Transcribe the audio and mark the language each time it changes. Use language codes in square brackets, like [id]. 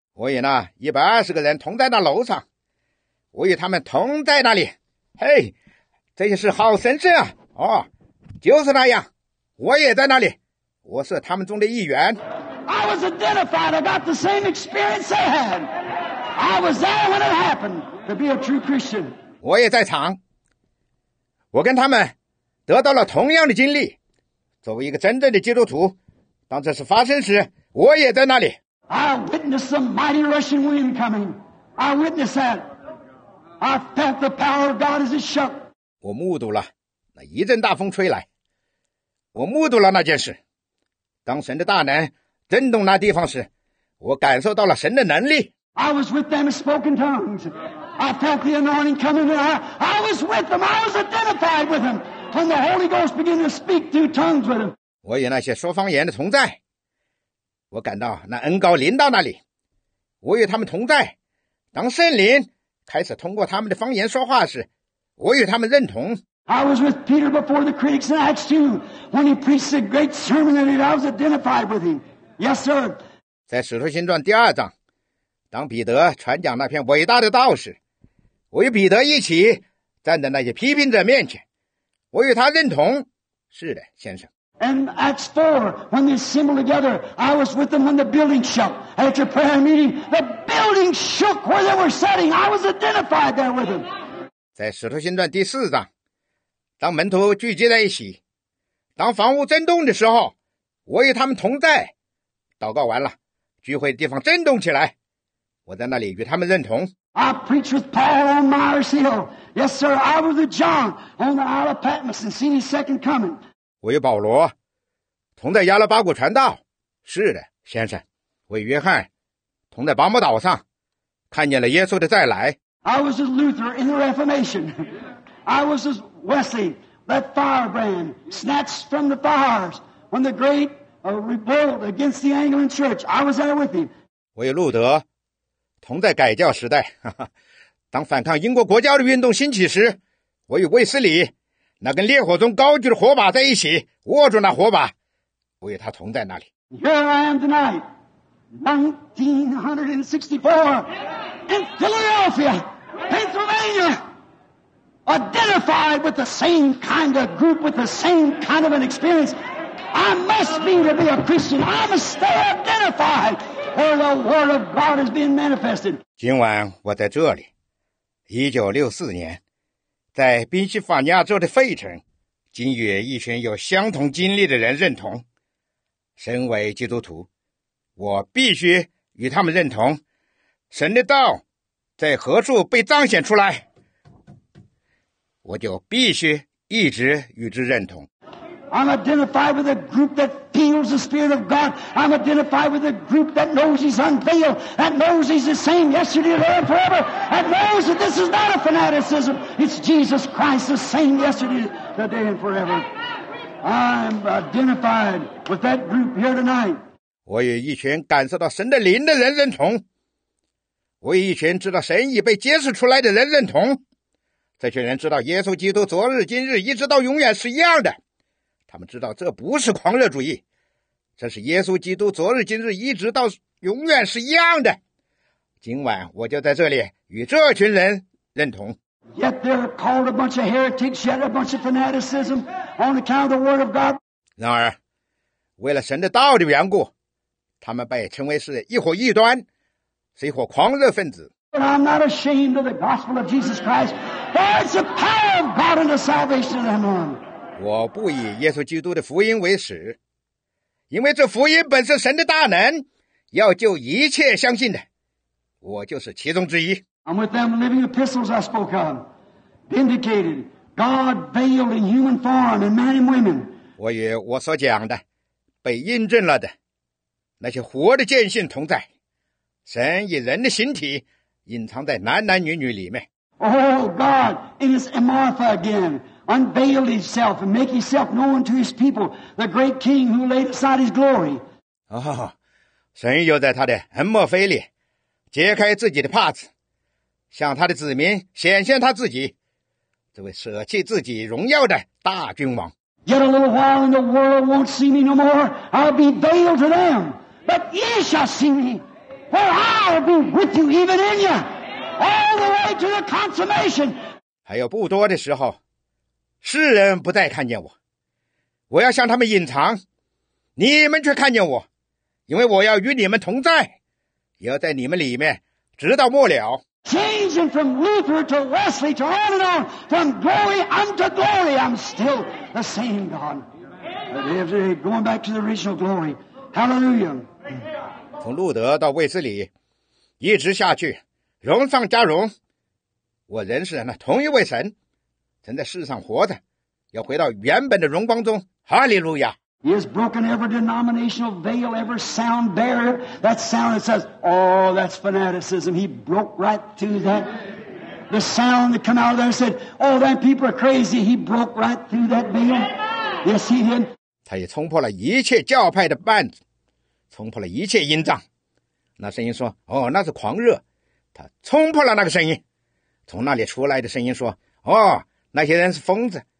[zh] 我与那120个人同在那楼上，我与他们同在那里。嘿，这些事好神圣啊。哦，就是那样，我也在那里，我是他们中的一员。 [en] I was identified. I got the same experience they had. I was there when it happened to be a true Christian. [zh] 我也在场，我跟他们得到了同样的经历。作为一个真正的基督徒，当这事发生时，我也在那里。 [en] I witnessed some mighty rushing wind coming. I witnessed that. I felt the power of God as it shook. [zh] 我目睹了那一阵大风吹来，我目睹了那件事。当神的大能震动那地方时，我感受到了神的能力。 [en] I was with them and spoke in tongues. I felt the anointing coming. I was with them. I was identified with them. When the Holy Ghost began to speak through tongues with them. [zh] 我与那些说方言的同在，我感到那恩膏临到那里，我与他们同在。当圣灵开始通过他们的方言说话时，我与他们认同。 [en] I was with Peter before the critics in Acts 2 when he preached a great sermon and I was identified with him. Yes, sir. [zh] 在使徒行传第二章，当彼得传讲那篇伟大的道时，我与彼得一起站在那些批评者面前，我与他认同。是的，先生。 [en] And Acts 4, when they assembled together, I was with them when the building shook. At your prayer meeting, the building shook where they were sitting. I was identified there with them. [zh] 在使徒行传第四章，当门徒聚集在一起，当房屋震动的时候，我与他们同在。祷告完了，聚会的地方震动起来，我在那里与他们认同。 [en] I preached with Paul on Mars Hill. Yes, sir, I was with John on the Isle of Patmos and seen his second coming. [zh] 我与保罗同在亚拉巴谷传道。是的，先生。我与约翰同在巴摩岛上看见了耶稣的再来。 [en] I was with Luther in the Reformation. I was with Wesley, that firebrand snatched from the fires when the great revolt against the Anglican Church. I was there with him. [zh] 我与路德同在改教时代，当反抗英国国教的运动兴起时，我与卫斯理那根烈火中高举的火把在一起，握住那火把，我与他同在那里。 [en] Here I am tonight, 1964, in Philadelphia, Pennsylvania, identified with the same kind of group, with the same kind of an experience. I must be to be a Christian. I must stay identified. Where the word of God is being manifested. [zh] 今晚我在这里，1964年，在宾夕法尼亚州的费城，今与一群有相同经历的人认同。身为基督徒，我必须与他们认同。神的道在何处被彰显出来，我就必须一直与之认同。 [en] I'm identified with a group that feels the Spirit of God. I'm identified with a group that knows He's unveiled, that knows He's the same yesterday, today, and forever, that knows that this is not a fanaticism. It's Jesus Christ, the same yesterday, today, and forever. I'm identified with that group here tonight. [zh] 我与一群感受到神的灵的人认同，我与一群知道神已被揭示出来的人认同。这群人知道耶稣基督昨日、今日、一直到永远是一样的。他们知道这不是狂热主义，这是耶稣基督昨日今日一直到永远是一样的。今晚我就在这里与这群人认同。 [en] Yet they're called a bunch of heretics, yet a bunch of fanaticism on account of the word of God. [zh] 然而，为了神的道的缘故，他们被称为是一伙异端，是一伙狂热分子。 [en] But I'm not ashamed of the gospel of Jesus Christ. There is the power of God and the salvation of them all. [zh] 我不以耶稣基督的福音为耻，因为这福音本是神的大能，要救一切相信的。我就是其中之一。 [en] I'm with them living epistles I spoke of, vindicated, God veiled in human form in men and women. [zh] 我与我所讲的被印证了的那些活的见证同在，神以人的形体隐藏在男男女女里面。 [en] Oh God, it is Martha again. Unveiled himself and make himself known to his people, the great king who laid aside his glory. [zh] Oh, 神又在他的恩莫菲里揭开自己的帕子，向他的子民显现他自己，这位舍弃自己荣耀的大君王。 [en] Yet a little while and the world won't see me no more. I'll be veiled to them, but ye shall see me, for I'll be with you even in you, all the way to the consummation. [zh] 还有不多的时候。世人不再看见我，我要向他们隐藏，你们却看见我，因为我要与你们同在，也要在你们里面直到末了。 [en] Changing from Luther to Wesley to on and on, from glory unto glory, I'm still the same God. Going back to the original glory. Hallelujah. [zh] 从路德到卫斯理，一直下去，荣上加荣。我仍是那同一位神，曾在世上活着，要回到原本的荣光中。哈利路亚。 [en] He has broken every denominational veil, every sound barrier. That sound that says, oh, that's fanaticism. He broke right through that. The sound that came out of there said, oh, that people are crazy. He broke right through that veil. Yes, he did. [zh] 他也冲破了一切教派的绊子，冲破了一切音障。那声音说，哦，那是狂热。他冲破了那个声音。从那里出来的声音说，哦，那些人是疯子。